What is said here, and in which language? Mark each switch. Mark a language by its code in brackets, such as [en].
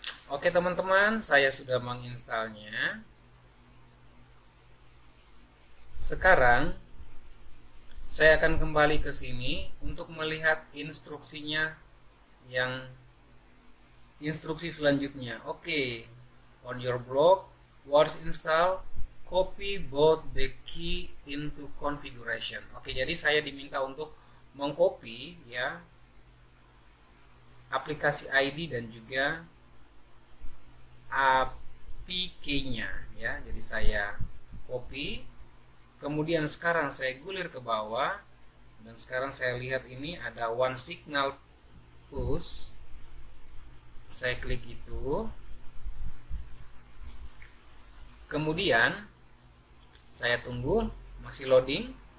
[id] Oke teman-teman, saya sudah menginstalnya. Sekarang saya akan kembali ke sini untuk melihat instruksinya, yang instruksi selanjutnya. [en] Oke, on your blog, once install, copy both the key into configuration. [id] Oke, jadi saya diminta untuk mengcopy, ya, aplikasi ID dan juga APK-nya, ya. Jadi saya copy, kemudian sekarang saya gulir ke bawah, dan sekarang saya lihat ini ada one signal push, saya klik itu, kemudian saya tunggu masih loading.